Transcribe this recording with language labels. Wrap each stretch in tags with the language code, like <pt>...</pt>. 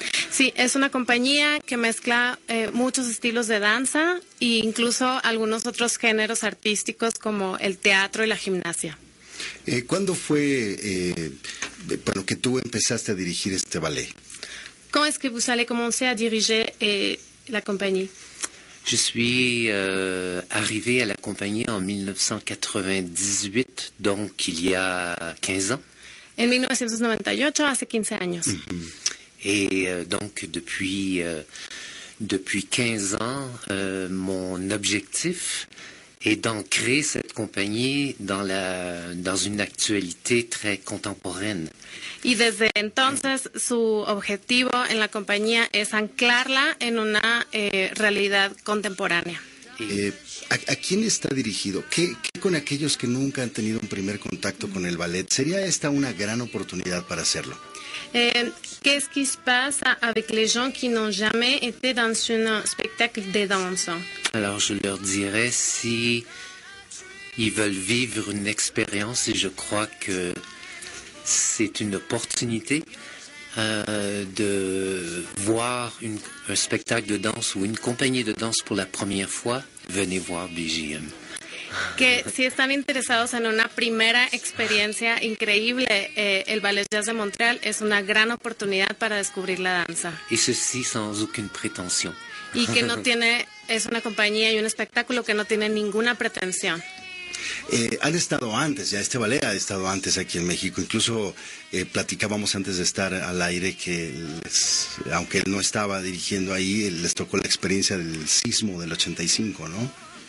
<es>Sí, es una compañía que mezcla muchos estilos de danza e incluso algunos otros géneros artísticos como el teatro y la gimnasia. ¿Cuándo fue bueno, que tú empezaste a dirigir este ballet? ¿Cómo es que</es> <fr>vous allez commencer a diriger</fr> <es>la compañía?</es> <fr>Je suis arrivé à la compagnie en 1998, donc il y a 15 ans.</fr> <es>En 1998, hace 15 años. Mm-hmm.</es> <fr>Et donc depuis 15 ans, mon objectif est d'ancrer cette compagnie dans une actualité très contemporaine.</fr> <es>Y desde entonces su objetivo en la compañía es anclarla en una realidad contemporánea. ¿A quién está dirigido? ¿Qué con aquellos que nunca han tenido un primer contacto con el ballet? ¿Sería esta una gran oportunidad para hacerlo?</es> <fr>Qu'est-ce qui se passe avec les gens qui n'ont jamais été dans un spectacle de danse? Alors je leur dirais si ils veulent vivre une expérience, et je crois que c'est une opportunité de voir un spectacle de danse ou une compagnie de danse pour la première fois, venez voir BJM.</fr> <es>Que si están interesados en una primera experiencia increíble, el Ballet Jazz de Montreal es una gran oportunidad para descubrir la danza.</es> <fr>Y ceci sans aucune prétention.</fr> <es>Y que no tiene, es una compañía y un espectáculo que no tiene ninguna pretensión. Han estado antes, ya este ballet ha estado antes aquí en México. Incluso platicábamos antes de estar al aire que aunque él no estaba dirigiendo ahí, les tocó la experiencia del sismo del 85, ¿no?</es>